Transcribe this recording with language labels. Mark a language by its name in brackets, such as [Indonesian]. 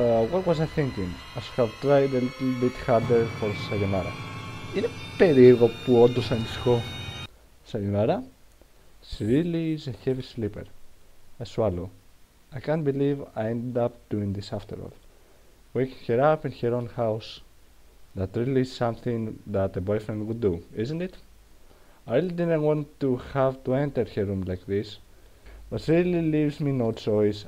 [English] What was I thinking? I should have tried a little bit harder for Sayonara. [Greek] Είναι περίεργο που όντως ανησυχώ. [English] Sayonara? She really is a heavy sleeper. A swallow. I can't believe I ended up doing this after all. Waking her up in her own house. That really is something that a boyfriend would do, isn't it? I really didn't want to have to enter her room like this. But she really leaves me no choice.